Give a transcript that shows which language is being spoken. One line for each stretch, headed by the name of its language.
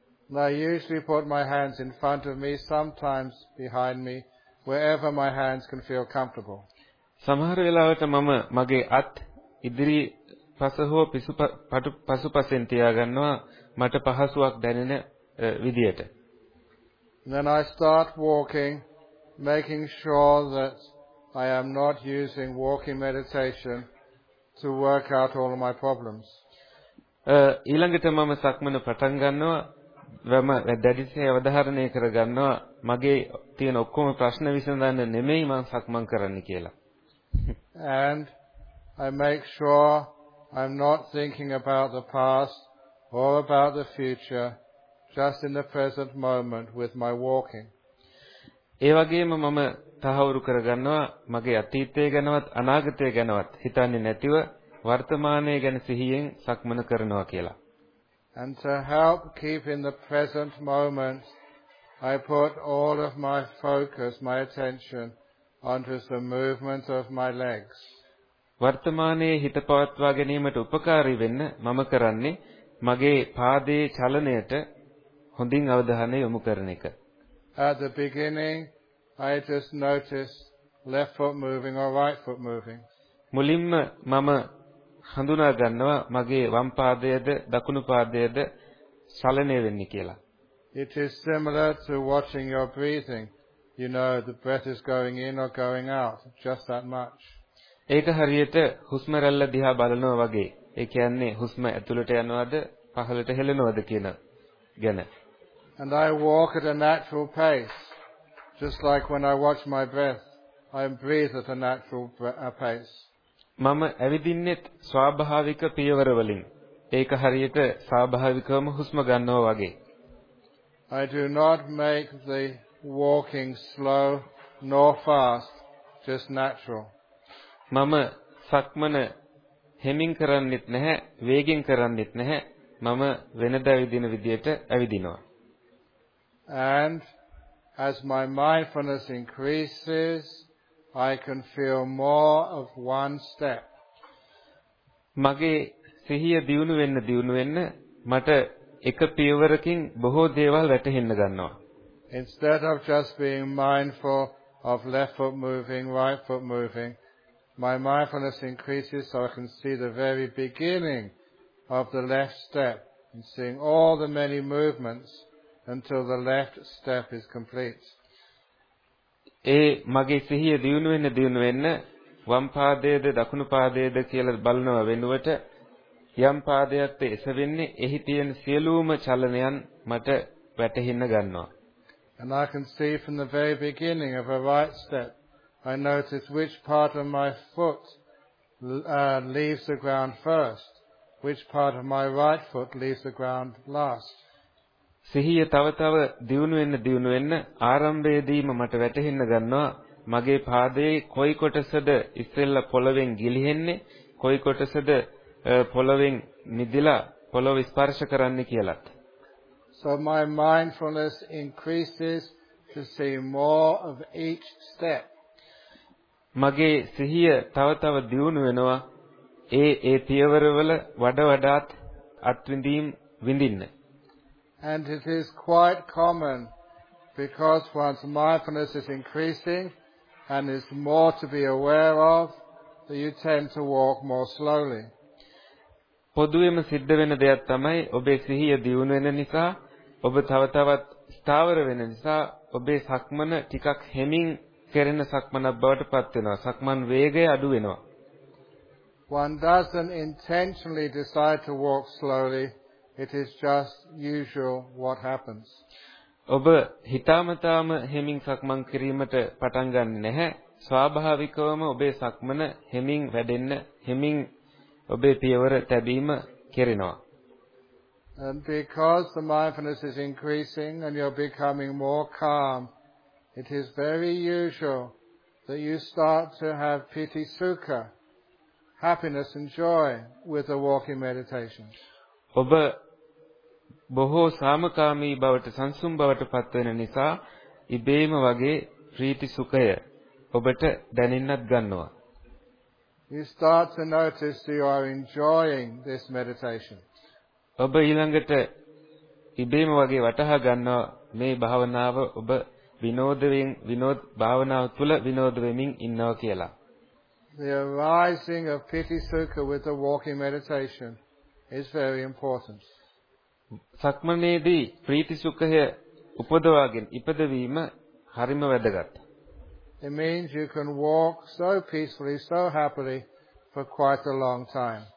English: Now, I usually put my hands in front of me, sometimes behind me, wherever my hands can feel comfortable.
Sinhala: සමහර වෙලාවට මම මගේ අත් ඉදිරි පස හෝ පසු පසෙන් තියාගන්නවා මට පහසුවක් දැනෙන විදියට.
English: Then I start walking, making sure that I am not using walking meditation to work out all of my problems.
Sinhala: ඊළඟට මම සක්මන පටන් ගන්නවා වම දැඩිසේ අවධාරණය කරගන්නවා මගේ තියෙන ඔක්කොම ප්‍රශ්න විසඳන්න නෙමෙයි මං සක්මන් කරන්න කියලා.
English: And I make sure I'm not thinking about the past or about the future, just in the present moment with my walking.
Sinhala: ඒ වගේම මම තහවුරු කරගන්නවා මගේ අතීතය ගැනවත් අනාගතය ගැනවත් හිතන්නේ නැතිව වර්තමානයේ ගැන සිහියෙන් සක්මන කරනවා කියලා.
English: And to help keep in the present moment, I put all of my focus, my attention, onto the movement of my legs.
Sinhala: වර්තමානයේ හිත පවත්වා ගැනීමට උපකාරී වෙන්න මම කරන්නේ මගේ පාදයේ චලනයට හොඳින් අවධානය යොමු කරන එක.
English: At the beginning, I just notice left foot moving or right foot moving.
Sinhala: මුලින්ම මම හඳුනා ගන්නවා මගේ වම් පාදයේද දකුණු පාදයේද චලනය වෙන්නේ කියලා.
English: It is similar to watching your breathing. You know the breath is going in or going out, just that much.
Sinhala: ඒක හරියට හුස්ම රැල්ල දිහා බලනවා වගේ. ඒ කියන්නේ හුස්ම ඇතුළට යනවද පහළට හෙලනවද කියන ගැන.
English: And I walk at a natural pace. Just like when I watch my breath, I breathe at a natural pace.
Sinhala: මම ඇවිදින්නෙත් ස්වාභාවික පියවර වලින්. ඒක හරියට ස්වාභාවිකවම හුස්ම ගන්නවා වගේ.
English: I do not make the walking slow nor fast, just natural.
Sinhala: මම සක්මන හෙමින් කරන්නෙත් නැහැ, වේගෙන් කරන්නෙත් නැහැ. මම වෙනද ඇවිදින විදියට ඇවිදිනවා.
English: And as my mindfulness increases, I can feel more of one step.
Sinhala: මගේ සිහිය දියුණු වෙන්න මට එක පියවරකින් බොහෝ දේවල් වැටහෙන්න ගන්නවා.
English: Instead of just being mindful of left foot moving, right foot moving, my mindfulness increases so I can see the very beginning of the left step and seeing all the many movements until the left step is complete.
Sinhala: ඒ මගේ සිහිය දියුණු වෙන්න වම් පාදයේද දකුණු පාදයේද කියලා බලනව වෙනුවට යම් පාදයක් එසවෙන්නේ එහි තියෙන සියලුම චලනයන් මට වැටහෙන්න ගන්නවා.
English: And I can see from the very beginning of a right step, I notice which part of my foot leaves the ground first, which part of my right foot leaves the ground last.
Sinhala: සිහිය තව තව දියුණු වෙන්න ආරම්භයේදීම මට වැටහෙන්න ගන්නවා මගේ පාදයේ කොයි කොටසද ඉස්සෙල්ලා පොළවෙන් ගිලිහෙන්නේ කොයි කොටසද පොළවෙන් මිදිලා පොළව ස්පර්ශ කරන්නේ කියලත්.
English: So my mindfulness increases to see more of each step.
Sinhala: මගේ සිහිය තව තව දියුණු වෙනවා ඒ පියවරවල වඩ වඩාත් අත්විඳීම් විඳින්න.
English: And it is quite common, because one's mindfulness is increasing and is more to be aware of, that you tend to walk more slowly.
Sinhala: පොදුවේම සිද්ධ වෙන දෙයක් තමයි ඔබේ සිහිය දියුණු වෙන නිසා ඔබ තව තවත් ස්ථාවර වෙන නිසා ඔබේ සක්මන ටිකක් හෙමින් කෙරෙන සක්මනක් බවට පත් වෙනවා. සක්මන් වේගය අඩු වෙනවා.
English: one doesn't intentionally decide to walk slowly, it is just usual what happens.
Sinhala: ඔබ හිතාමතාම හෙමින් සක්මන් කිරීමට පටන් ගන්නෙ නැහැ. ස්වාභාවිකවම ඔබේ සක්මන හෙමින් වැඩෙන්න, හෙමින් ඔබේ පියවර තැබීම කෙරෙනවා.
English: And because the mindfulness is increasing and you're becoming more calm, it is very usual that you start to have piti sukha, happiness and joy with the walking meditation.
Sinhala: ඔබ බොහෝ සාමකාමී බවට සංසුම් බවට පත්වෙන නිසා ඉබේම වගේ ප්‍රීති සුඛය ඔබට දැනෙන්නත් ගන්නවා.
English: You start to notice that you are enjoying this meditation.
Sinhala: ඔබ ඊළඟට ඉබේම වගේ වටහා ගන්නවා මේ භාවනාව ඔබ විනෝදයෙන් විනෝද භාවනාව තුල විනෝද වෙමින් ඉන්නවා කියලා.
English: The arising of piti sukha with the walking meditation is very important.
Sinhala: සක්මනේදී ප්‍රීති සුඛය උපදවාගෙන ඉපදවීම හරිම වැදගත්.
English: It means you can walk so peacefully, so happily for quite a long time.